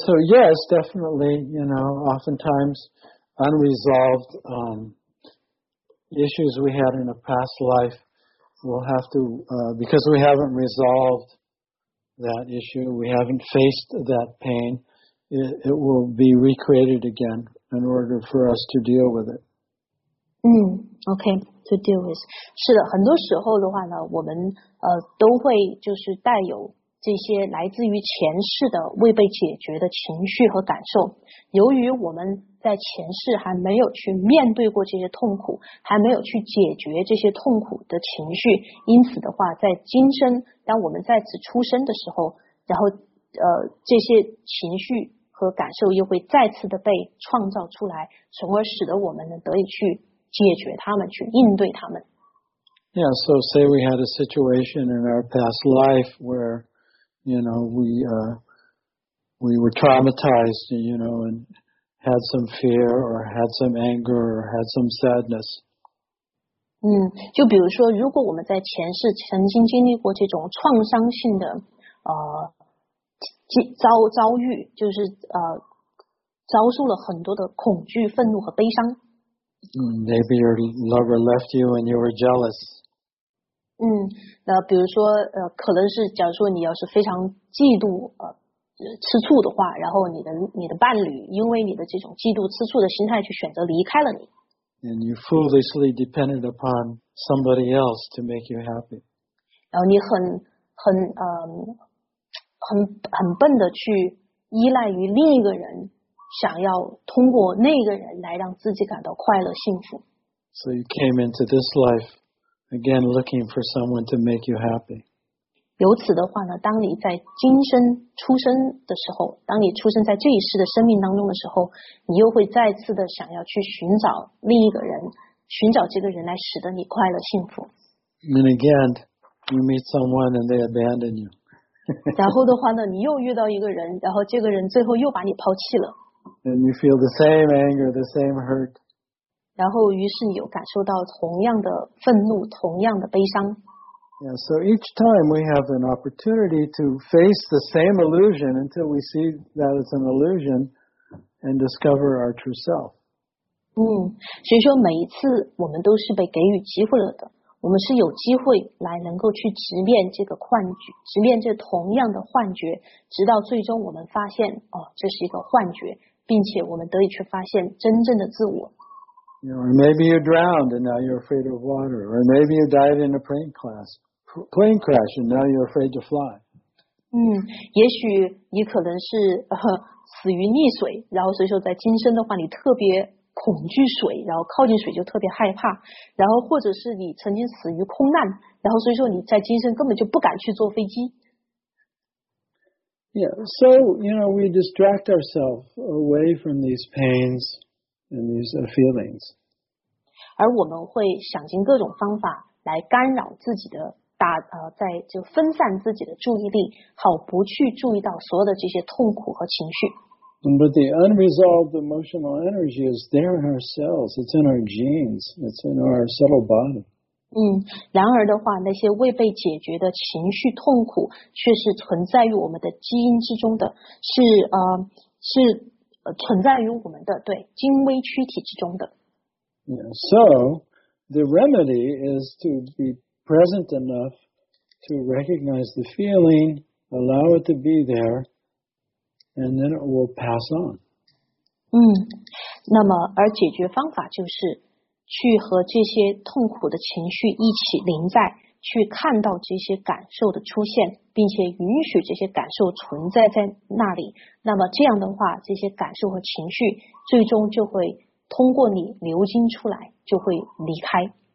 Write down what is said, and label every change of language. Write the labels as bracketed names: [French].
[English] so yes, definitely, you know, oftentimes unresolved issues we had in a past life, we'll have to, because we haven't resolved that issue, we haven't faced that pain, it will be recreated again in order for us to deal with it. Okay, to deal with. [Chinese] 是的，很多时候的话呢，我们都会就是带有这些来自于前世的未被解决的情绪和感受。由于我们在前世还没有去面对过这些痛苦，还没有去解决这些痛苦的情绪，因此的话，在今生，当我们再次出生的时候，然后这些情绪和感受又会再次的被创造出来，从而使得我们能得以去解决他们，去应对他们。 [English] Yeah, so say we had a situation in our past life where, you know, we were traumatized, you know, and had some fear or had some anger or had some sadness. [Chinese] 就比如说，如果我们在前世曾经经历过这种创伤性的遭遇，就是遭受了很多的恐惧、愤怒和悲伤。 [English] Maybe your lover left you and you were jealous. [Chinese] 那比如说可能是假如说你要是非常嫉妒吃醋的话，然后你的伴侣因为你的这种嫉妒吃醋的心态去选择离开了你。 [English] And you foolishly depended upon somebody else to make you happy. [Chinese] 然后你很笨的去依赖于另一个人，想要通过那个人来让自己感到快乐幸福。 [English] So you came into this life again looking for someone to make you happy. [Chinese] 由此的话呢，当你在今生出生的时候，当你出生在这一世的生命当中的时候，你又会再次的想要去寻找另一个人，寻找这个人来使得你快乐幸福。 [English] And again, you meet someone and they abandon you. [Chinese] 然后的话呢，你又遇到一个人，然后这个人最后又把你抛弃了。 [English] And you feel the same anger, the same hurt. [Chinese] 然后于是你又感受到同样的愤怒，同样的悲伤。 [English] Yeah, so each time we have an opportunity to face the same illusion until we see that it's an illusion and discover our true self. [Chinese] 所以说每一次我们都是被给予机会了的，我们是有机会来能够去直面这个幻觉，直面这同样的幻觉，直到最终我们发现哦，这是一个幻觉，并且我们得以去发现真正的自我。 [English] You know, or maybe you drowned and now you're afraid of water. Or maybe you died in a plane crash and now you're afraid to fly. [Chinese] 也许你可能是死于溺水，然后所以说在今生的话你特别恐惧水，然后靠近水就特别害怕，然后或者是你曾经死于空难，然后所以说你在今生根本就不敢去坐飞机。 [English] Yeah, so, you know, we distract ourselves away from these pains. And these are feelings. [Chinese] 而我们会想尽各种方法来干扰自己的在就分散自己的注意力，好不去注意到所有的这些痛苦和情绪。 [English] But the unresolved emotional energy is there in our cells. It's in our genes. It's in our subtle body. [Chinese] 然而的话，那些未被解决的情绪痛苦却是存在于我们的基因之中的，是。存在于我们的对精微躯体之中的。 [English] Yeah, so the remedy is to be present enough to recognize the feeling, allow it to be there, and then it will pass on. [Chinese] 那么而解决方法就是去和这些痛苦的情绪一起临在，去看到这些感受的出现，并且允许这些感受存在在那里，那么这样的话，这些感受和情绪最终就会通过你流经出来，就会离开。